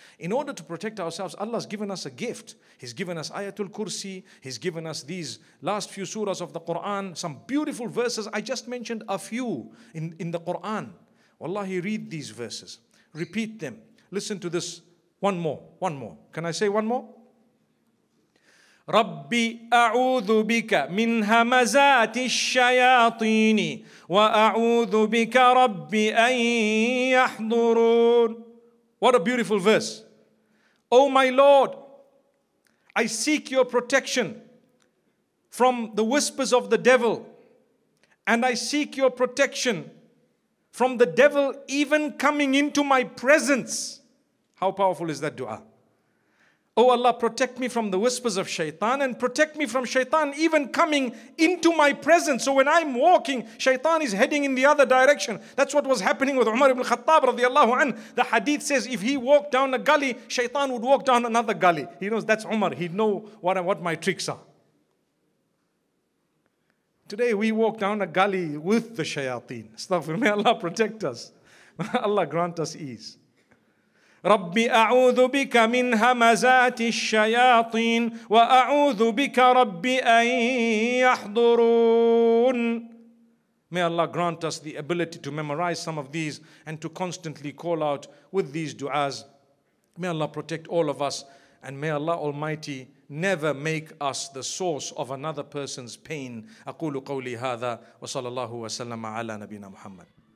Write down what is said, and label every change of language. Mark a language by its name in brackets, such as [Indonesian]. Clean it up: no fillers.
[English] In order to protect ourselves, Allah has given us a gift. He's given us Ayatul Kursi. He's given us these last few surahs of the Quran, some beautiful verses. I just mentioned a few in the Quran. Wallahi, read these verses. Repeat them. Listen to this. One more. One more. Can I say one more? [Arabic] ربي أعوذ بك من همزات الشياطين وأعوذ بك ربي أن يحضرون. [English] What a beautiful verse. Oh my Lord, I seek your protection from the whispers of the devil, and I seek your protection from the devil even coming into my presence. How powerful is that dua? Oh Allah, protect me from the whispers of shaitan, and protect me from shaitan even coming into my presence. So when I'm walking, shaitan is heading in the other direction. That's what was happening with Umar ibn Khattab radiallahu anh. The hadith says if he walked down a gully, shaitan would walk down another gully. He knows that's Umar. He'd know what my tricks are. Today we walk down a gully with the shayateen. Astaghfirullah. May Allah protect us. Allah grant us ease. [Arabic] ربي أعوذ بك من همزات الشياطين وأعوذ بك ربي أن يحضرون. [English] May Allah grant us the ability to memorize some of these and to constantly call out with these du'as. May Allah protect all of us, and may Allah Almighty never make us the source of another person's pain. [Arabic] أقول قولي هذا وصلى الله وسلم على نبينا محمد.